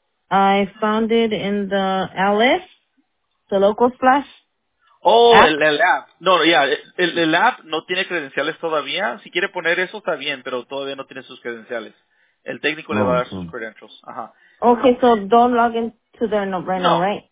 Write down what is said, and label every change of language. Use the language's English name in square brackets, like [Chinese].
[English] I found it in the Alice, the Local Splash. [Spanish] Oh, app. El app. El app no tiene credenciales todavía. Si quiere poner eso está bien, pero todavía no tiene sus credenciales. El técnico le va a dar sus credentials. Ajá. [English] Okay, so don't log in to their number right now, right?